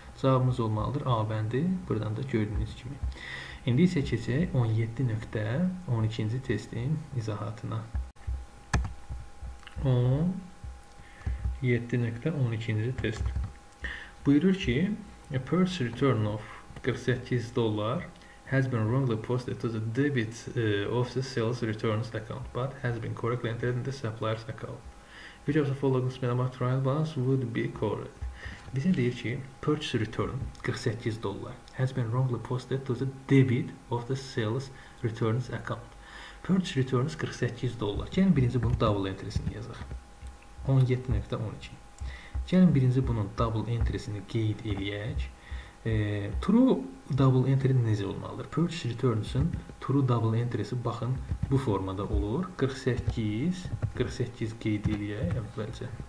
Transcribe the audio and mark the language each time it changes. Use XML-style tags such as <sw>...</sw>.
<az>Cavabımız olmalıdır A bəndi, buradan da gördüyünüz kimi. İndi isə keçək 17.12 testin izahatına. 17.12 test. Buyurur ki,</az> <en>a purchase return of $48 has been wrongly posted to the debit of the sales returns account, but has been correctly entered in the supplier's account. Which of the following minimum trial balance would be correct?</en> <az>Bizə deyir ki,</az> <en>purchase return $48 has been wrongly posted to the debit of the sales returns account. Purchase returns $48.</en> <az>Yəni birinci bunu double entry-sini yazaq. 17.12. Gəlin birinci bunun double entry-sini qeyd eləyək</az> <en>True double entry</en> <az>necə olmalıdır?</az> <en>Purchase returns-ın true double entry-si</en> <az>baxın bu formada olur. 48 qeyd eləyək əvvəlcə.</az>